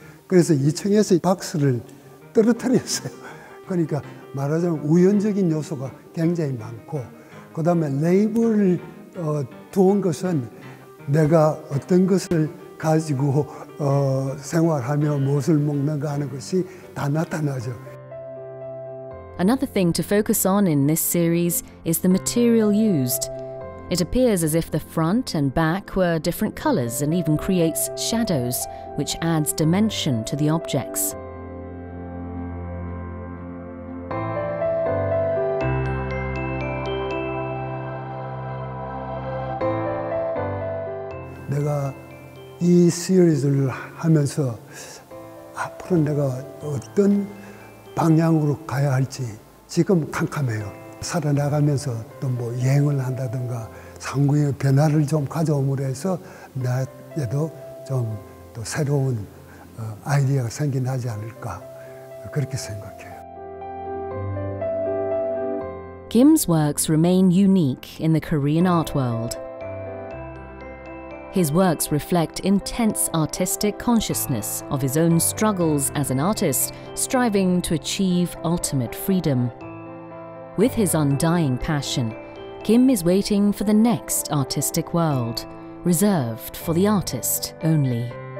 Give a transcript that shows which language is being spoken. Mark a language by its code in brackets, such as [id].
[ko] 그래서 2층에서 박스를 떨어뜨렸어요. 그러니까 말하자면 우연적인 요소가 굉장히 많고, 그 다음에 레이블을 두은 것은 내가 어떤 것을 가지고 생활하며 무엇을 먹는가 하는 것이 다 나타나죠. [en] Another thing to focus on in this series is the material used. It appears as if the front and back were different colors and even creates shadows, which adds dimension to the objects. I did this series, and what I should go in what direction I should go now is uncertain. [ko] 살아나가면서 또 뭐 여행을 한다든가 상황의 변화를 좀 가져오므로 해서 나에게도 좀 또 새로운 아이디어가 생겨나지 않을까 그렇게 생각해요. [en] Kim's works remain unique in the Korean art world. His works reflect intense artistic consciousness of his own struggles as an artist, striving to achieve ultimate freedom. With his undying passion, Kim is waiting for the next artistic world, reserved for the artist only.